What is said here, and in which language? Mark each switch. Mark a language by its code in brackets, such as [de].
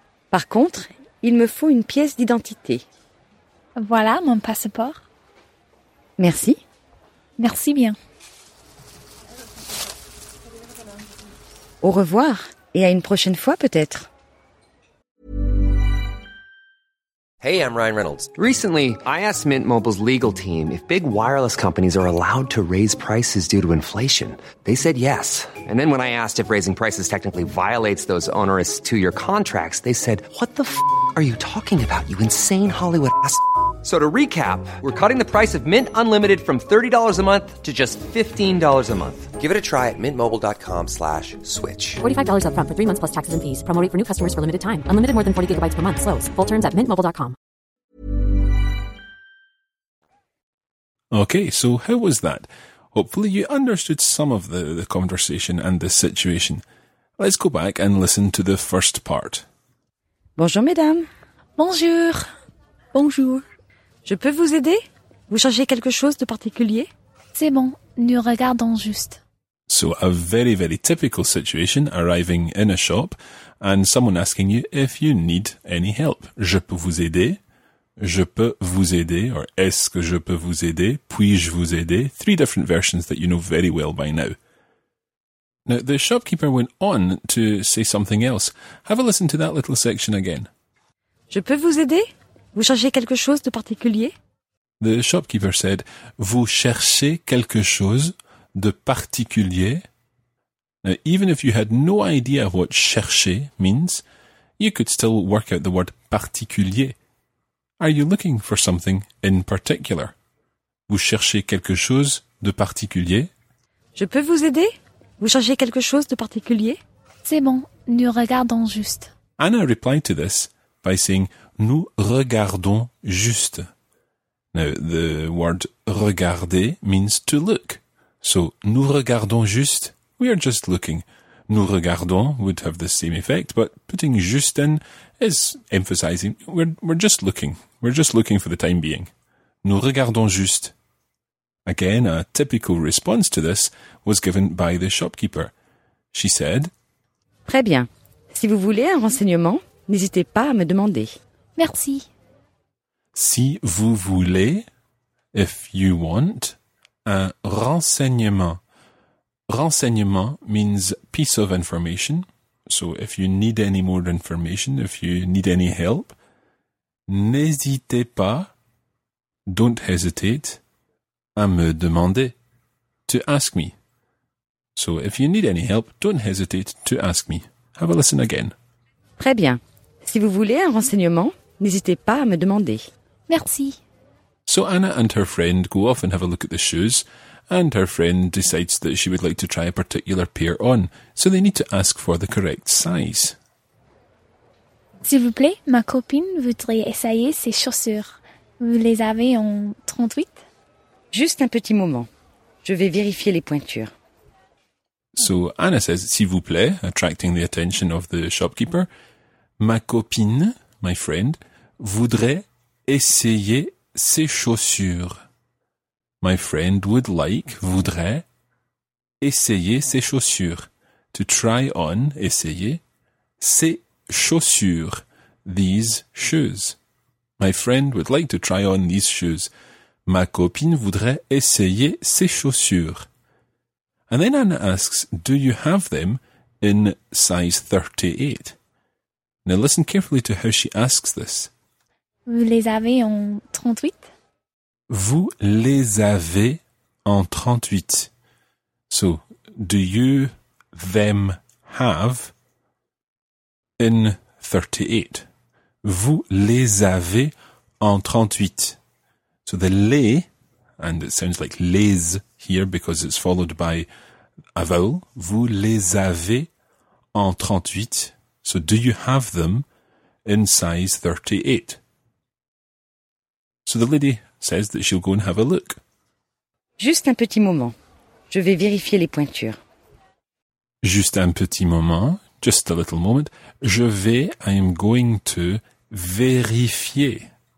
[fr] Par contre, il me faut une pièce d'identité. Voilà mon passeport. Merci. Merci bien. Au revoir, et à une prochaine fois peut-être. [en] Hey, I'm Ryan Reynolds. Recently, I asked Mint Mobile's legal team if big wireless companies are allowed to raise prices due to inflation. They said yes. And then when I asked if raising prices technically violates those onerous two-year contracts, they said, what the f*** are you talking about, you insane Hollywood ass f***? So to recap, we're cutting the price of Mint Unlimited from $30 a month to just $15 a month. Give it a try at mintmobile.com/switch. $45 up front for 3 months plus taxes and fees. Promo rate for new customers for limited time. Unlimited more than 40 gigabytes per month. Slows full terms at mintmobile.com. Okay, so how was that? Hopefully you understood some of the conversation and the situation. Let's go back and listen to the first part. [fr] Bonjour, mesdames. Bonjour. Bonjour. Je peux vous aider? Vous cherchez quelque chose de particulier? C'est bon, nous regardons juste. [en] So a very, very typical situation, arriving in a shop and someone asking you if you need any help. [fr] Je peux vous aider? Je peux vous aider, or est-ce que je peux vous aider, puis-je vous aider, [en] three different versions that you know very well by now. Now, the shopkeeper went on to say something else. Have a listen to that little section again. [fr] Je peux vous aider? Vous cherchez quelque chose de particulier? [en] The shopkeeper said, [fr] vous cherchez quelque chose de particulier? [en] Now, even if you had no idea what chercher means, you could still work out the word particulier. Are you looking for something in particular? [fr] Vous cherchez quelque chose de particulier? Je peux vous aider? Vous cherchez quelque chose de particulier? C'est bon, nous regardons juste. [en] Anna replied to this by saying, [fr] nous regardons juste. [en] Now, the word regarder means to look. So, [fr] nous regardons juste, [en] we are just looking. Nous regardons would have the same effect, but putting juste in is emphasizing we're just looking. We're just looking for the time being. [fr] Nous regardons juste. [en] Again, a typical response to this was given by the shopkeeper. She said, [fr] très bien. Si vous voulez un renseignement, n'hésitez pas à me demander. Merci. Si vous voulez, [en] if you want, [fr] un renseignement. [en] Renseignement means piece of information. So if you need any more information, if you need any help, [fr] n'hésitez pas, [en] don't hesitate, [fr] à me demander, [en] to ask me. So if you need any help, don't hesitate to ask me. Have a listen again. [fr] Très bien. Si vous voulez un renseignement, n'hésitez pas à me demander. Merci. [en] So Anna and her friend go off and have a look at the shoes, and her friend decides that she would like to try a particular pair on, so they need to ask for the correct size. [fr] S'il vous plaît, ma copine voudrait essayer ses chaussures. Vous les avez en 38? Juste un petit moment. Je vais vérifier les pointures. [en] So Anna says, [fr] s'il vous plaît, [en] attracting the attention of the shopkeeper. [fr] Ma copine, [en] my friend, [fr] voudrait essayer ses chaussures. [en] My friend would like, [fr] voudrait, essayer ses chaussures. [en] To try on, [fr] essayer, ses chaussures, [en] these shoes. My friend would like to try on these shoes. [fr] Ma copine voudrait essayer ses chaussures. [en] And then Anna asks, do you have them in size 38? Now listen carefully to how she asks this. [fr] Vous les avez en 38? Vous les avez en 38. [en] So, do you them have in 38? [fr] Vous les avez en 38. [en] So the les, and it sounds like les here because it's followed by a vowel. [fr] Vous les avez en 38. [en] So do you have them in size 38? So the lady says that she'll go and have a look. [fr] Juste un petit moment. Je vais vérifier les pointures. Juste un petit moment. [en] Just a little moment. [fr] Je vais, [en] I am going to, [fr] vérifier.